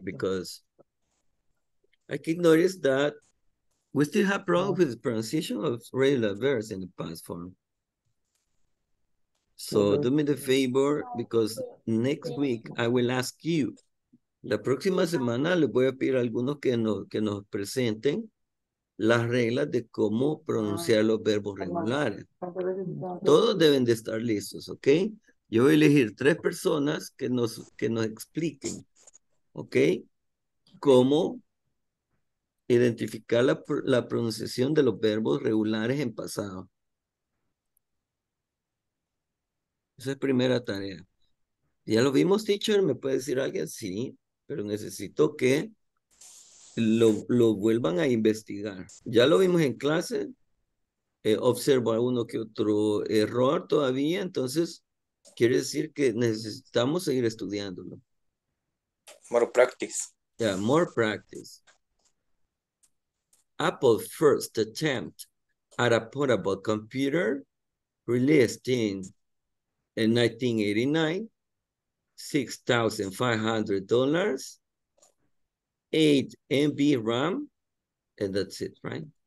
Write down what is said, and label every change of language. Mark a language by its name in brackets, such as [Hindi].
[English] Because I can notice that we still have problems with the pronunciation of regular verbs in the past form. So do me the favor, because next week I will ask you. [Spanish] La próxima semana les voy a pedir a algunos que nos presenten las reglas de cómo pronunciar los verbos regulares. Todos deben de estar listos, ¿ok? Yo voy a elegir tres personas que nos expliquen, ¿ok? Cómo identificar la pronunciación de los verbos regulares en pasado. Esa es primera tarea. ¿Ya lo vimos, teacher? ¿Me puede decir alguien? Sí, pero necesito que lo vuelvan a investigar. ¿Ya lo vimos en clase? observo alguno que otro error todavía, entonces quiere decir que necesitamos seguir estudiándolo. [English] More practice. Yeah, more practice. Apple first attempt at a portable computer released in 1989, $6,500, 8 MB RAM, and that's it, right?